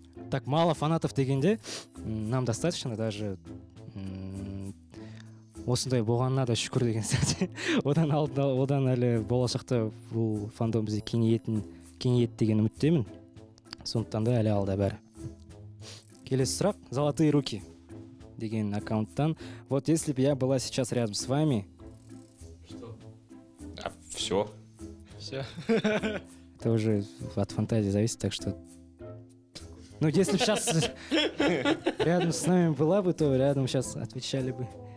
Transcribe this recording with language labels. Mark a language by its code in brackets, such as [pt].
[ru] Так мало фанатов [kk] дегенде, [ru] нам достаточно даже... [kk] осындай болғанына да шүкір деген сәті. Одан алдында, одан әлі болашақта бұл фандом бізге кеңейет деген үміттемін. Сондықтан да әлі алда бәрі. Келесі сұрақ, Золотые руки деген аккаунттан. [ru] Вот если бы я была сейчас рядом с вами... Что? А, все. Все. Это уже от фантазии зависит, так что... Ну, если бы сейчас рядом с нами была бы, то рядом сейчас отвечали бы.